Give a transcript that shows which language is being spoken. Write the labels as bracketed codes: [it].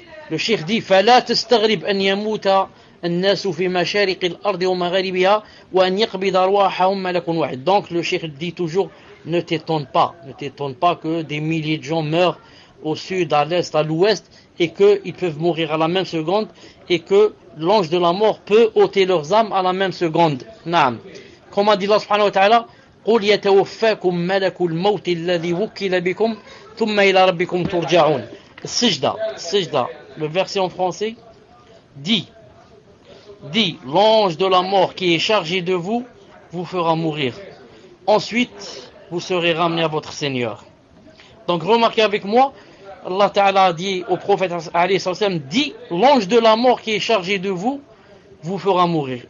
[fr] Le cheikh dit [ar] فلا تستغرب ان يموت الناس في مشارق الارض ومغاربها وان يقبض ارواحهم ملك واحد. [fr] Donc le cheikh dit toujours ne t'étonne pas que des milliers de gens meurent au sud, à l'est, à l'ouest, et qu'ils peuvent mourir à la même seconde, et que l'ange de la mort peut ôter leurs âmes à la même seconde. Naam. Comme a dit Allah subhanahu wa ta'ala, [ar] قُلْ يَتَوَفَّاكُمْ مَلَكُ الْمَوْتِ الَّذِي وُكِّلَ بِكُمْ ثُمَّ إِلَى رَبِّكُمْ تُرْجَعُونَ. [fr] Sijda, le verset en français, dit, l'ange de la mort qui est chargé de vous, vous fera mourir. Ensuite, vous serez ramené à votre Seigneur. Donc remarquez avec moi, Allah Ta'ala a dit au prophète alayhi sallam, dit l'ange de la mort qui est chargé de vous, vous fera mourir.